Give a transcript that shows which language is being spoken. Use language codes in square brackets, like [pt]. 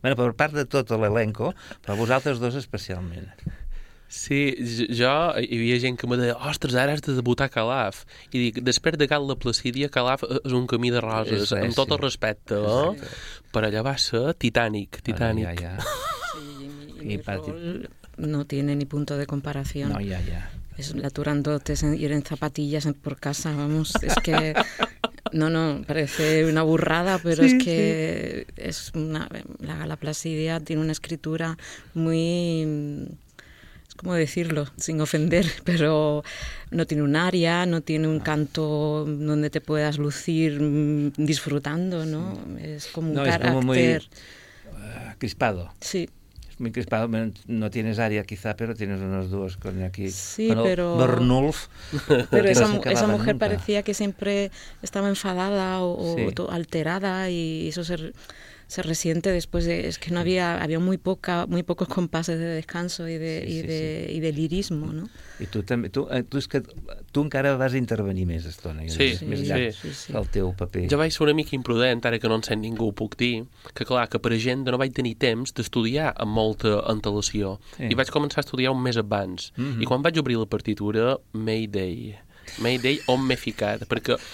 [ca] Bueno, per part de tot l'elenco, per vosaltres dos especialment. Sí, jo hi havia gent que em deia ostres, ara has de debutar a Calaf, i dic, després de Gala Placídia, Calaf és un camí de roses, és, amb tot sí. el respecte, no? Però allà va ser titànic. Ah, ja. [es] Sí, i no tiene ni punto de comparación. [ca] No, ja. [es] Es la Turandot, es ir en zapatillas por casa, vamos, es que... No, parece una burrada, pero sí, es que sí. es una, la Gala Placídia tiene una escritura muy... ¿cómo decirlo? Sin ofender, pero no tiene un aria, no tiene un canto donde te puedas lucir disfrutando, ¿no? Sí. Es como un carácter... No, es como muy crispado. Sí. Es muy crispado, no tienes aria quizá, pero tienes unos dos con aquí. Sí, bueno, pero... Bernulf. Pero esa mujer nunca parecía que siempre estaba enfadada o alterada y eso se... Se resiente después de... Es que no había... Había muy pocos compases de descanso y de lirismo, ¿no? [ca] I tu també... Tu és que tu encara vas intervenir més estona. Sí, més sí, llarg, sí, sí. El teu paper. Jo vaig ser una mica imprudent, ara que no en sent ningú, ho puc dir, que clar, que per agenda no vaig tenir temps d'estudiar amb molta antelació. Sí. I vaig començar a estudiar un mes abans. Mm-hmm. I quan vaig obrir la partitura, Mayday... Mayday, on m'he ficat, perquè...